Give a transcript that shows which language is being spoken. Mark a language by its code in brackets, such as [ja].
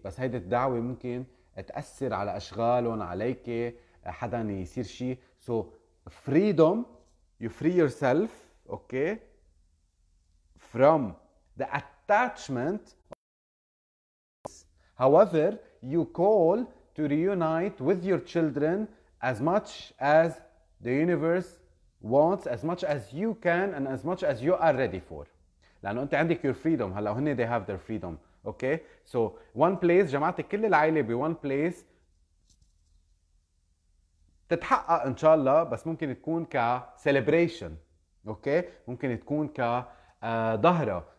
[ar] بس هيدي الدعوة ممكن تأثر على أشغالهم عليك حدا يصير شيء. [en] So freedom, you free yourself, okay, from the attachment. However, you call to reunite with your children as much as the universe wants, as much as you can, and as much as you are ready for. [ar] لأنه أنت عندك [en] your freedom. [ar] هلا هني [en] they have their freedom. Okay? So, one place, [ar] جمعت كل العائلة بي [en] one place. [ar] تتحقق إن شاء الله, بس ممكن تكون ك celebration. Okay? ممكن تكون ك ظهرة.